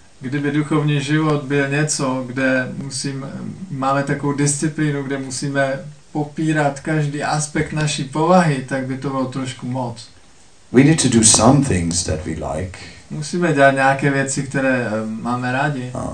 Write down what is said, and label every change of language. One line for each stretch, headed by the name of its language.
Czech: Kdyby duchovní život byl něco, kde máme takovou disciplínu, kde musíme popírat každý aspekt naší povahy, tak by to bylo trošku moc.
English: We need to do some things that we like.
Czech: Musíme dělat nějaké věci, které máme rádi.